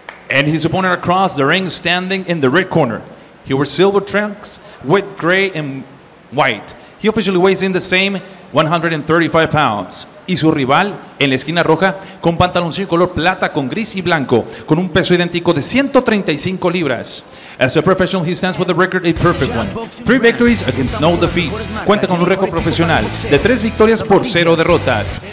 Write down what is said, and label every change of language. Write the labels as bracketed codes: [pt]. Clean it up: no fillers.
[en] And his opponent across the ring, standing in the red corner. He wears silver trunks with gray and white. He officially weighs in the same 135 pounds. [es] Y su rival, en la esquina roja, con pantaloncillo de color plata con gris y blanco, con un peso idéntico de 135 libras. [en] As a professional, he stands with a record, a perfect one. 3 victories against no defeats. [es] Cuenta con un récord profesional de 3 victorias por 0 derrotas.